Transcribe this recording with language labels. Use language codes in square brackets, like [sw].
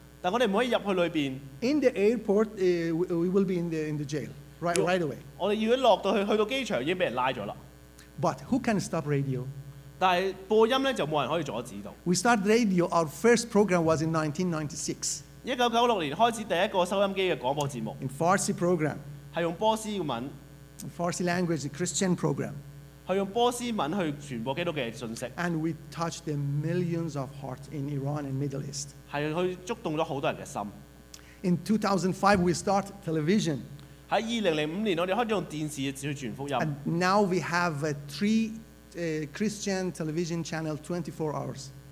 [en] In the airport, we will be in the jail right away. [yue] 我們要一落到去到機場已經被人拉咗了。 [en] But who can stop radio? [yue] 但播音咧就冇人可以阻止到。 [en] We started radio. Our first program was in 1996. [yue] 1996年開始第一個收音機嘅廣播節目。 [en] In Farsi program. [yue] 係用波斯文。 [en] In Farsi language, a Christian program. [yue] 係用波斯文去傳播基督嘅信息。 [en] And we touched the millions of hearts in Iran and Middle East. In 2005, we start television. And now we have three Christian television channels 24 hours.